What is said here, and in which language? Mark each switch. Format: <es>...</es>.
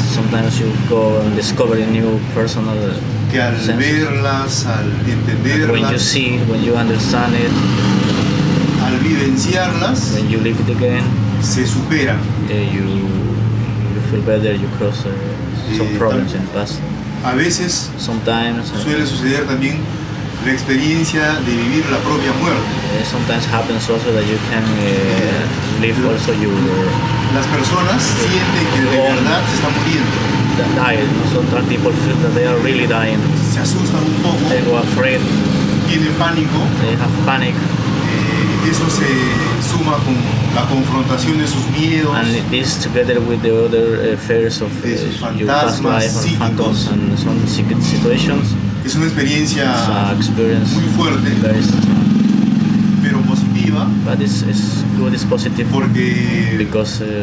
<en>Sometimes you go and discover a new personal.</en> <es>Que al verlas, al entenderlas.</es> <en>And when you see, when you understand it.</en> <es>Al vivenciarlas,</es> <en>when you live it again,</en> <es>se supera.</es> <en>You feel better, you cross some problems in the past.</en> <es>A veces,</es> <en>sometimes,</en> <es>suele suceder también la experiencia de vivir la propia muerte.</es> <en>Sometimes happens also that you can live also your.</en> <es>Las personas sienten que de verdad se están muriendo.</es> <en>Sometimes people feel that they are really dying.</en> <es>Se asustan un poco.</es> <en>They go afraid.</en> <es>Tienen pánico.</es> <en>They have panic.</en> <es>Eso se suma con la confrontación de sus miedos.</es> <en>And this together with the other fears of</en> <es>fantasmas,</es> <en>phantoms and some secret situations.</en> <es>Es una experiencia</es> <en>experience</en> <es>muy fuerte, pero positiva.</es> <en>But it's good, it's positive.</en> <es>Porque</es> <en>because,</en>